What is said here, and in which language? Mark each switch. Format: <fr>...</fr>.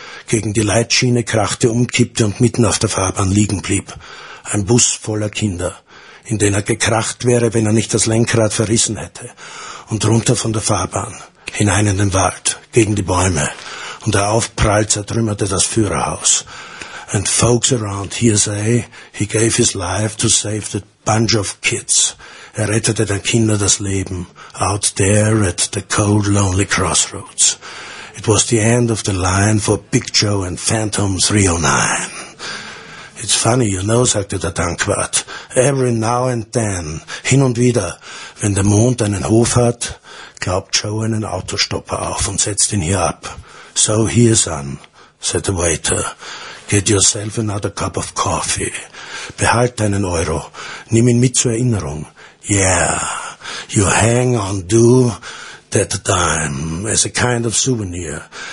<de>Gegen die Leitschiene krachte, umkippte und mitten auf der Fahrbahn liegen blieb. Ein Bus voller Kinder, in den er gekracht wäre, wenn er nicht das Lenkrad verrissen hätte. Und runter von der Fahrbahn, hinein in den Wald, gegen die Bäume. Und der Aufprall zertrümmerte das Führerhaus.</de> <en>And folks around here say, he gave his life to save the bunch of kids.</en> <de>Er rettete den Kindern das Leben,</de> <en>out there at the cold, lonely crossroads. It was the end of the line for Big Joe and Phantom 309. It's funny, you know,</en> <de>sagte der Tankwart.</de> <en>Every now and then,</en> <de>hin und wieder, wenn der Mond einen Hof hat, glaubt Joe einen Autostopper auf und setzt ihn hier ab.</de> <en>So here, son, said the waiter. Get yourself another cup of coffee.</en> <de>Behalt deinen Euro. Nimm ihn mit zur Erinnerung. Yeah.</de> <en>you hang on to that dime as a kind of souvenir.</en>